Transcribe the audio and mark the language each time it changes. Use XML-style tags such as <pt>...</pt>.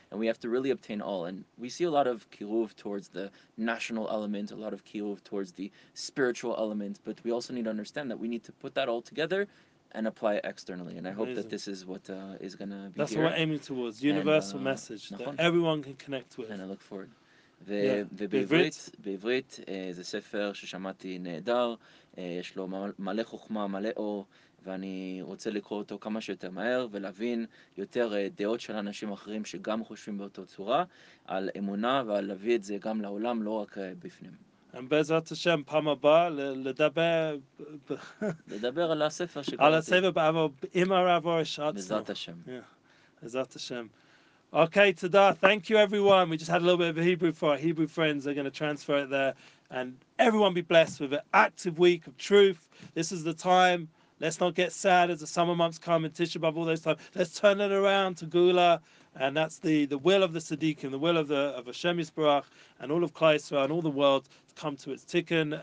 <en>And we have to really obtain all. And we see a lot of kiruv towards the national element, a lot of kiruv towards the spiritual element. But we also need to understand that we need to put that all together and apply it externally. And I hope that this is what is going to be That's here. What we're aiming towards, universal and, message nachon. That everyone can connect with. And I look forward.</en> <he>ובעברית, בעברית זה ספר ששמעתי נהדר, יש לו מלא חוכמה, מלא אור, ואני רוצה לקרוא אותו כמה שיותר מהר ולהבין יותר דעות של אנשים אחרים שגם חושבים באותו צורה על אמונה ועל להביא את זה גם לעולם, לא רק בפנים. בעזרת השם, פעם הבאה, לדבר על הספר שקראתי. על הספר, אבל עם הרב אורש עצמו. בעזרת השם. בעזרת השם.</he> <en>Okay, tada. Thank you, everyone. We just had a little bit of Hebrew for our Hebrew friends. They're going to transfer it there. And everyone be blessed with an active week of truth. This is the time. Let's not get sad as the summer months come and Tisha B'Av all those times. Let's turn it around to Gula. And that's the will of the Tzaddikim, the will of Hashem Yisbarach, and all of Klal Yisrael and all the world to come to its tikkun.</en>